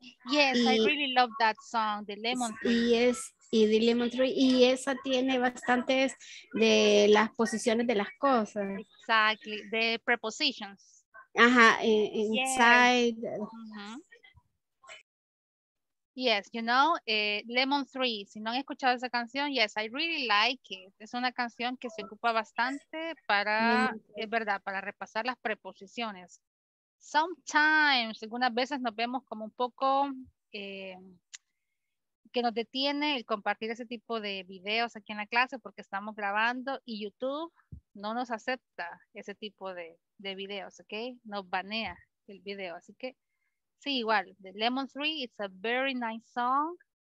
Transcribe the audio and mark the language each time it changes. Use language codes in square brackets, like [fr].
[en] Yes, y, I really love that song, the Lemon Tree. [es] Y esa tiene bastantes de las posiciones de las cosas. [en] Exactly, the prepositions. Ajá, inside. Yes. Yes, you know, Lemon Tree, [es] si no han escuchado esa canción, [en] yes, I really like it. [es] Es una canción que se ocupa bastante para, es verdad, para repasar las preposiciones. [en] Sometimes, [es] algunas veces nos vemos como un poco que nos detiene el compartir ese tipo de videos aquí en la clase porque estamos grabando y YouTube no nos acepta ese tipo de videos, ¿ok? Nos banea el video, así que. Sí, igual, [en] the Lemon Tree, it's a very nice song.